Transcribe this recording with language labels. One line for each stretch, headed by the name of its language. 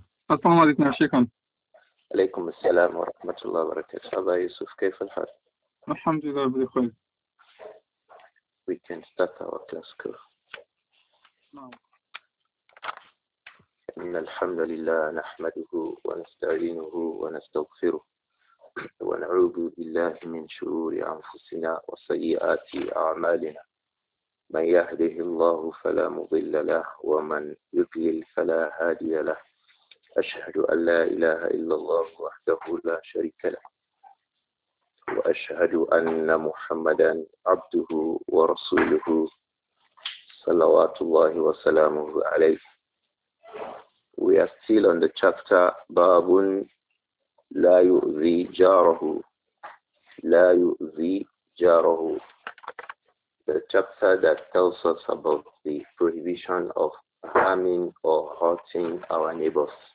Arabic: السلام عليكم يا شيخ. عليكم السلام ورحمة الله وبركاته. أبا يوسف، كيف الحال؟ الحمد لله بخير.
English: We can start our class girl.
Arabic: إن الحمد لله نحمده ونستعينه ونستغفره ونعوذ بالله من شرور أنفسنا وسيئات أعمالنا، من يهده الله فلا مضل له ومن يضلل فلا هادي له، أشهد أن لا إله إلا الله وحده لا شريك له وأشهد أن محمدا عبده ورسوله صلوات الله وسلامه عليه.
English: We are still on the chapter Babun La Yu'zi Jarahu. La Yu'zi Jarahu. The chapter that tells us about the prohibition of harming or hurting our neighbors.